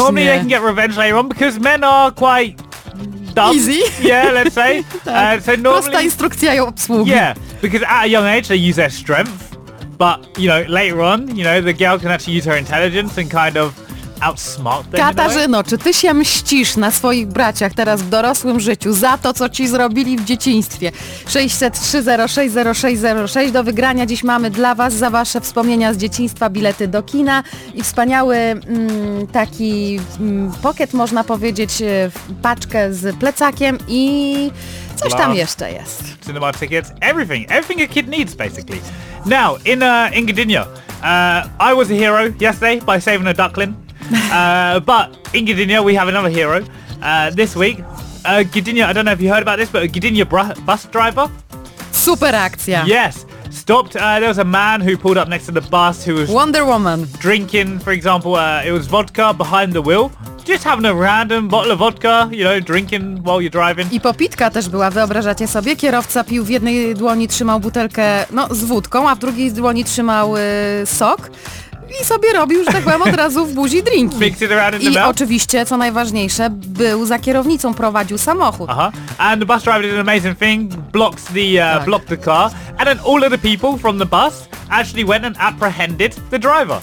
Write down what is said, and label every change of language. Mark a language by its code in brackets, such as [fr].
[en] Normally they can get revenge later on because men are quite dumb. Easy. Yeah, let's say. So normally, [pl] prosta instrukcja obsługi. [en] Yeah, because at a young age they use their strength, but you know later on, you know, the girl can actually use her intelligence and kind of outsmart them. [pl] Katarzyno, [en] you know? [pl] Czy ty się mścisz na swoich braciach teraz w dorosłym życiu za to, co ci zrobili w dzieciństwie? 603060606. Do wygrania dziś mamy dla was, za wasze wspomnienia z dzieciństwa, bilety do kina i wspaniały taki pocket, można powiedzieć, paczkę z plecakiem i coś tam jeszcze jest. [en] Cinema tickets, everything a kid needs basically. Now, in Gdynia, I was a hero yesterday by saving a duckling. But in Gdynia, we have another hero this week. Gdynia, I don't know if you heard about this, but a Gdynia bus driver. [pl] Super akcja. [en] Yes. Stopped. There was a man who pulled up next to the bus who was Wonder Woman drinking, for example, it was vodka behind the wheel. Just having a random bottle of vodka, you know, drinking while you're driving. [pl] I popitka też była, wyobrażacie sobie. Kierowca pił, w jednej dłoni trzymał butelkę, no, z wódką, a w drugiej dłoni trzymał sok. I sobie robił, że tak powiem, od razu w buzi drinki. [en] Mixed it around in the mouth. [pl] I oczywiście, co najważniejsze, był za kierownicą, prowadził samochód. Aha. [en] And the bus driver did an amazing thing, blocked the car, and then all of the people from the bus actually went and apprehended the driver.